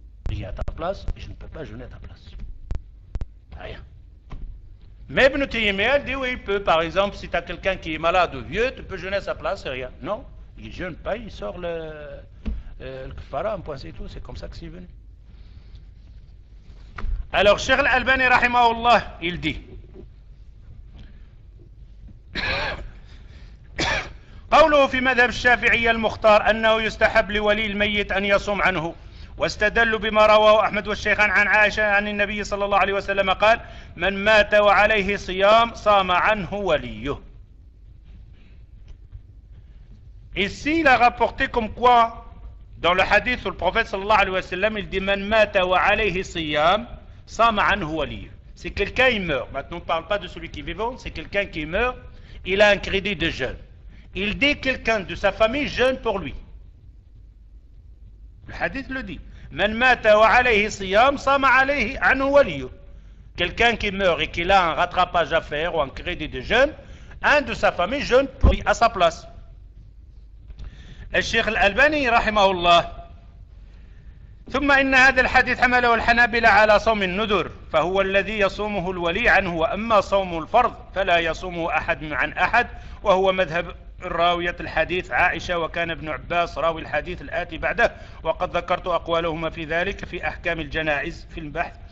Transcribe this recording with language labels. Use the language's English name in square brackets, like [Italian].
[French] Il est à ta place et je ne peux pas jeûner à ta place. Rien. Mais Ibn Taymiyyah, il dit oui, il peut. Par exemple, si tu as quelqu'un qui est malade ou vieux, tu peux jeûner à sa place, c'est rien. Non, il ne jeûne pas, il sort le. Le kfara, un point c'est tout, c'est comme ça que c'est venu. Alors, Cheikh Al-Albani, rahimahullah, il dit [Arabic] قوله في مذهب الشافعي المختار أنه يستحب لولي الميت أن يصوم عنه واستدل بما رواه أحمد والشيخان عن عائشة عن النبي صلى الله عليه وسلم قال من مات وعليه صيام صام عنه وليه. [French] Ici, il a rapporté comme quoi dans le hadith où le prophète sallallahu alayhi wa sallam, il dit Man mata wa alayhi siyam, sama anhu wali. Si quelqu'un il meurt, maintenant on ne parle pas de celui qui est vivant, c'est quelqu'un qui meurt, il a un crédit de jeûne. Il dit quelqu'un de sa famille jeûne pour lui. Le hadith le dit Man mata wa alayhi siyam, sama alayhi anhu wali. Quelqu'un qui meurt et qu'il a un rattrapage à faire ou un crédit de jeûne, un de sa famille jeûne pour lui à sa place. [Arabic] الشيخ الألباني رحمه الله ثم إن هذا الحديث حمله الحنابلة على صوم الندر فهو الذي يصومه الولي عنه وأما صوم الفرض فلا يصومه أحد عن أحد وهو مذهب راوية الحديث عائشة وكان ابن عباس راوي الحديث الآتي بعده وقد ذكرت أقوالهما في ذلك في أحكام الجنائز في البحث